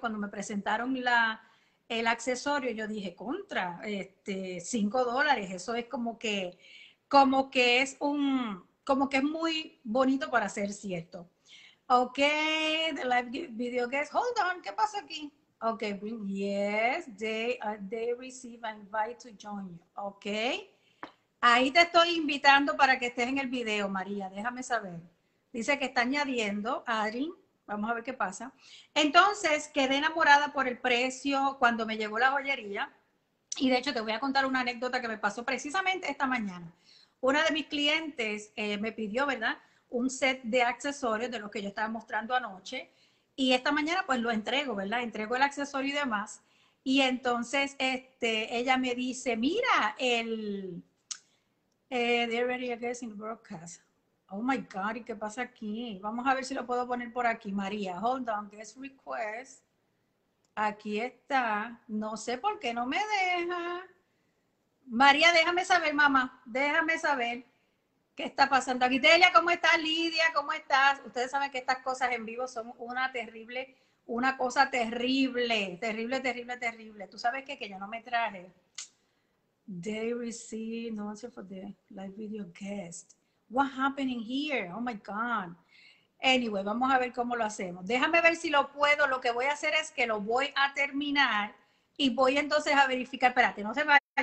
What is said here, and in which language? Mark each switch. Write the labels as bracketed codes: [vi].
[es] Cuando me presentaron el accesorio, yo dije, contra, $5, eso es como que es muy bonito para ser cierto. [en] Ok, the live video guest, hold on, ¿qué pasa aquí? Okay, yes, they receive an invite to join you. [es] Okay, ahí te estoy invitando para que estés en el video, María. Déjame saber. Dice que está añadiendo, Adri. Vamos a ver qué pasa. Entonces, quedé enamorada por el precio cuando me llegó la joyería. Y de hecho, te voy a contar una anécdota que me pasó precisamente esta mañana. Una de mis clientes me pidió, ¿verdad?, un set de accesorios de los que yo estaba mostrando anoche. Y esta mañana pues lo entrego, ¿verdad? Entrego el accesorio y demás. Y entonces ella me dice, mira, they're ready again in the broadcast. Oh my God, ¿y qué pasa aquí? Vamos a ver si lo puedo poner por aquí, María. Hold on, guest request. Aquí está. No sé por qué no me deja. María, déjame saber, mamá. Déjame saber. ¿Qué está pasando aquí? Delia, ¿cómo estás? Lidia, ¿cómo estás? Ustedes saben que estas cosas en vivo son una cosa terrible. ¿Tú sabes qué? Que yo no me traje. [en] They receive no answer for the live video guest. What happening here? Oh my God. [es] Anyway, vamos a ver cómo lo hacemos. Déjame ver si lo puedo. Lo que voy a hacer es que lo voy a terminar y voy entonces a verificar. Espérate, no se vaya.